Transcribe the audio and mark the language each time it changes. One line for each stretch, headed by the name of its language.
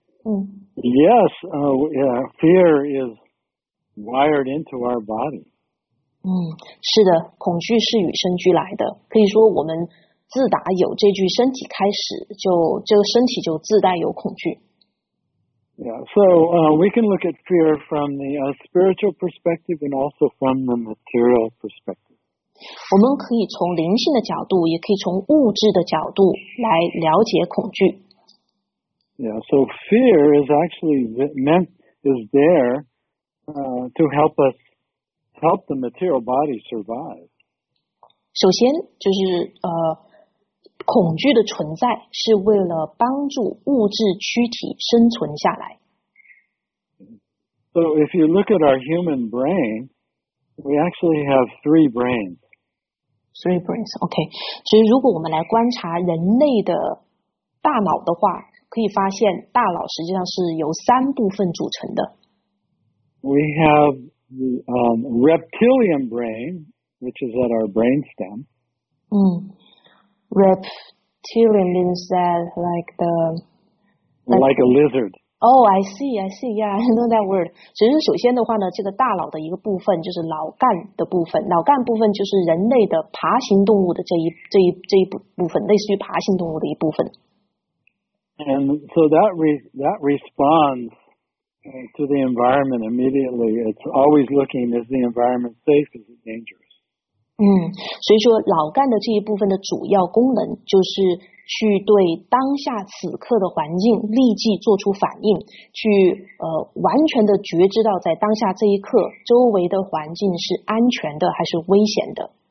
English: Yes, yeah, fear is wired into our body.
Chinese: 是的，恐惧是与生俱来的。可以说，我们自打有这具身体开始，这个身体就自带有恐惧。
English: Yeah, so we can look at fear from the spiritual perspective and also from the material perspective.
Chinese: 我们可以从灵性的角度，也可以从物质的角度来了解恐惧。
English: Yeah, so fear is actually meant is there to help us help the material body survive.
Chinese: 首先就是恐惧的存在是为了帮助物质躯体生存下来。
English: So if you look at our human brain, we actually have three brains. Three brains, okay.
Chinese: 所以如果我们来观察人类的大脑的话，可以发现大脑实际上是由三部分组成的。
English: We have the reptilian brain, which is at our brainstem. Reptilian means that like a lizard. Oh, I see. Yeah, I know that word.
Chinese: 其实首先的话呢，这个大脑的一个部分就是脑干的部分。脑干部分就是人类的爬行动物的这一部分，类似于爬行动物的一部分。
English: And so that responds to the environment immediately. It's always looking, is the environment safe? Is it dangerous?
Chinese: 所以说脑干的这一部分的主要功能就是去对当下此刻的环境立即做出反应，去完全的觉知到在当下这一刻周围的环境是安全的还是危险的。